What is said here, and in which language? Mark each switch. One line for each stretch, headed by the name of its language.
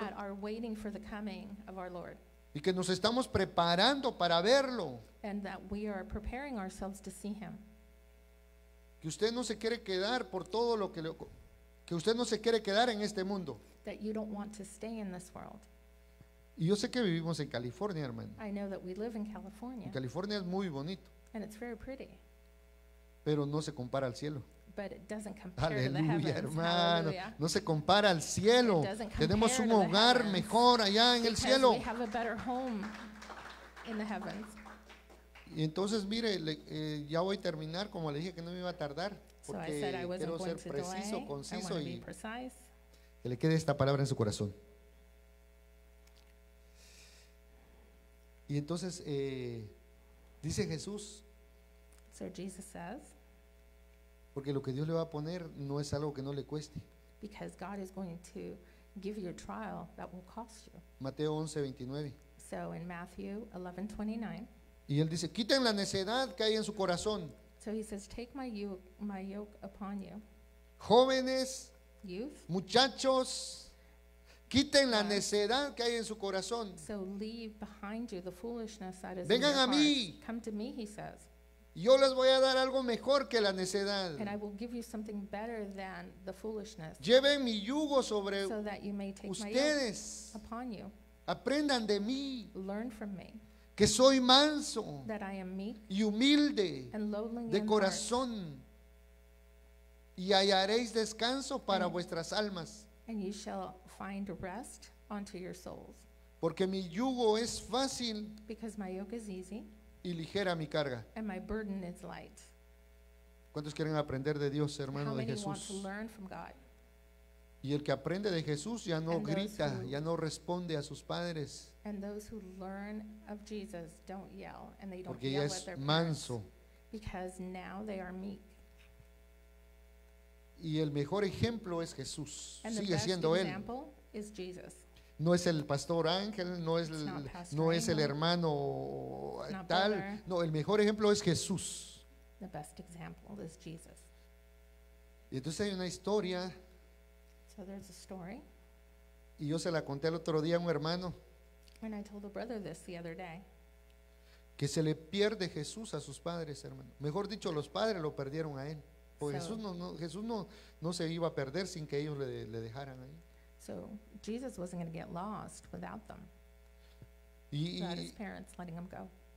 English: that are waiting for the coming of our Lord.
Spanish: Y que nos estamos preparando para verlo.
English: And that we are preparing ourselves to see him.
Spanish: Que usted no se quiere quedar por todo lo que le, que usted no se quiere quedar en este mundo.
English: That you don't want to stay in this world.
Spanish: Y yo sé que vivimos en California, hermano.
English: I know that we live in California.
Spanish: En California es muy bonito.
English: And it's very pretty.
Spanish: Pero no se compara al cielo.
English: But it doesn't compare to the heavens.
Spanish: Aleluya, hermano. No se compara al cielo.
English: It doesn't compare.
Spanish: Tenemos un hogar mejor allá en el cielo.
English: We have a better home in the heavens.
Spanish: Y entonces mire, ya voy a terminar, como le dije que no me iba a tardar, porque quiero ser preciso, conciso y que le quede esta palabra en su corazón. Y entonces dice Jesús,
English: so Jesus says,
Spanish: porque lo que Dios le va a poner no es algo que no le cueste.
English: Because God is going to give you a trial that will cost you.
Spanish: Mateo 11:29.
English: So in Matthew 11:29.
Spanish: Y él dice, quiten la necedad que hay en su corazón.
English: So he says, take my yoke upon you.
Spanish: Jóvenes,
English: youth,
Spanish: muchachos, quiten la necedad que hay en su corazón.
English: So leave behind you the foolishness that is
Spanish: vengan
English: in your
Spanish: a mí.
English: Heart. Come to me, he says.
Spanish: Yo les voy a dar algo mejor que la necedad.
English: And I will give you something better than the foolishness.
Spanish: Lleven mi yugo sobre
English: so that you may take
Spanish: ustedes.
English: My yoke upon you.
Spanish: Aprendan de mí.
English: Learn from me.
Spanish: Que soy manso
English: that I am meek
Spanish: y humilde
English: and lowly
Spanish: de corazón y hallaréis descanso para vuestras almas.
English: And you shall find rest unto your souls.
Spanish: Porque mi yugo es fácil.
English: Because my yoke is easy.
Spanish: Y ligera mi carga.
English: And my burden is light.
Spanish: ¿Cuántos quieren aprender de Dios, hermano, de Jesús?
English: How many want to learn from God?
Spanish: Y el que aprende de Jesús ya no grita, ya no responde a sus padres.
English: And those who learn of Jesus don't yell, and they don't
Spanish: porque
English: yell
Spanish: ya es
English: at their
Spanish: manso.
English: Parents, because now they are meek.
Spanish: Y el mejor ejemplo es Jesús.
English: And
Spanish: sigue
English: the best
Spanish: siendo
English: example
Spanish: él.
English: Is Jesus.
Spanish: No es el pastor Ángel, no es el, no es el hermano tal. No, el mejor ejemplo es Jesús.
English: The best example is Jesus.
Spanish: Y entonces hay una historia.
English: So there's a story.
Spanish: Y yo se la conté el otro día a un hermano.
English: And I told a brother this the other day.
Spanish: Que se le pierde Jesús a sus padres, hermano. Mejor dicho, los padres lo perdieron a él. Porque so, Jesús no se iba a perder sin que ellos le dejaran ahí.
English: So Jesus wasn't going to get lost without them.
Spanish: Y
English: without his parents letting him go.